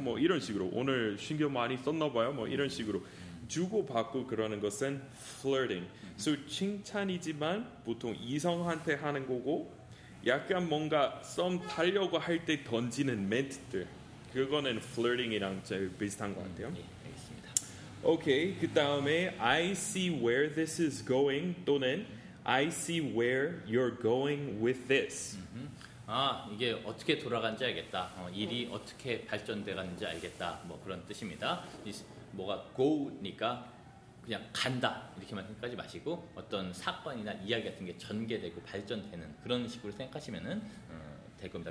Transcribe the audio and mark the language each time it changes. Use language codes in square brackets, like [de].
[ko] 뭐 이런 식으로 오늘 신경 많이 썼나 봐요. 뭐 이런 식으로. 주고받고 그러는 것은 [en] flirting. [ko] So 칭찬이지만 보통 이성한테 하는 거고 약간 뭔가 썸 타려고 할 때 던지는 멘트들 그거는 flirting이랑 제일 비슷한 것 같아요. 네, 알겠습니다. [en] 오케이, [ko] 그 다음에 [en] I see where this is going 또는 I see where you're going with this. [ko] 아, 이게 어떻게 돌아간지 알겠다. 일이 어떻게 발전돼가는지 알겠다. 뭐 그런 뜻입니다. 뭐가 go니까 그냥 간다 이렇게만 생각하지 마시고 어떤 사건이나 이야기 같은 게 전개되고 발전되는 그런 식으로 생각하시면은 될 겁니다.